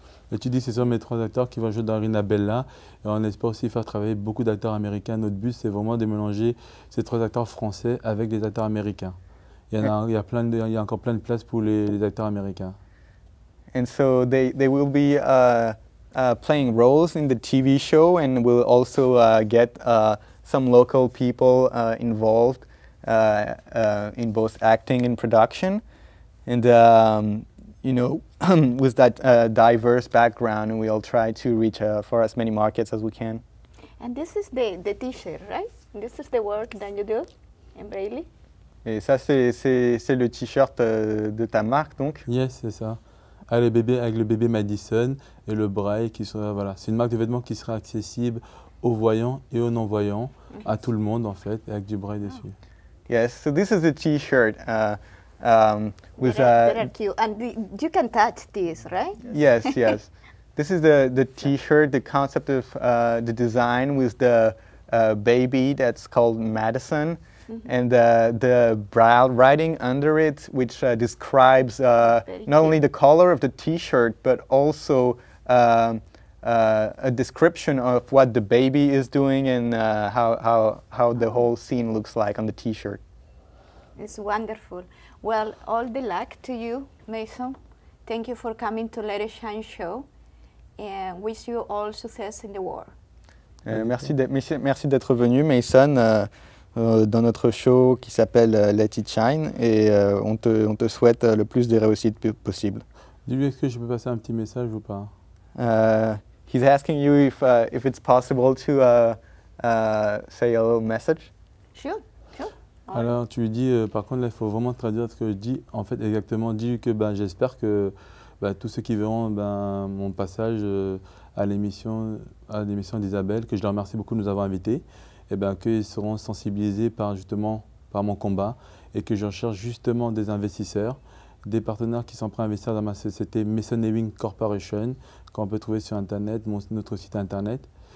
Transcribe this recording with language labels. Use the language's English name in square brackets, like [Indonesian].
[French] Et tu dis, ce sont mes trois acteurs qui vont jouer dans Eryna Bella. Et on espère aussi faire travailler beaucoup d'acteurs américains. Notre but, c'est vraiment de mélanger ces trois acteurs français avec des acteurs américains. Il y a encore plein de place pour les acteurs américains. [English] And so they will be playing roles in the TV show, and will also get some local people involved in both acting and production. And you know, with that diverse background, we'll try to reach for as many markets as we can. And this is the t-shirt, right? This is the work that you do in Braille? [French] Et ça, c'est le t-shirt de ta marque, donc? [English] Yes, [French] c'est ça. Avec le bébé Madison et le braille qui sera, voilà. C'est une marque de vêtements qui sera accessible aux voyants et aux non-voyants, à tout le monde, en fait, avec du braille dessus. [English] Yes, so this is a t-shirt With and you can touch this, right? Yes, yes. This is the T-shirt, the concept of the design with the baby that's called Madison, mm-hmm. and the braille writing under it, which describes not only the color of the T-shirt, but also a description of what the baby is doing and how the whole scene looks like on the T-shirt. It's wonderful. Well, all the luck to you, Mason. Thank you for coming to Let It Shine show, and wish you all success in the world. [French] Merci d'être venu, Mason, dans notre show qui s'appelle Let It Shine, et on te souhaite le plus de réussite possible. Dis-lui, est-ce que je peux passer un petit message ou pas? [English] He's asking you if it's possible to say a little message. Sure. [French] Alors tu lui dis, par contre là, il faut vraiment traduire ce que je dis. En fait, exactement, dis-lui que ben, j'espère que ben, tous ceux qui verront ben, mon passage à l'émission d'Isabelle, que je leur remercie beaucoup de nous avoir invités, et ben, qu'ils seront sensibilisés par mon combat, et que je cherche justement des investisseurs, des partenaires qui sont prêts à investir dans ma société Mason Ewing Corporation, qu'on peut trouver sur Internet, notre site Internet.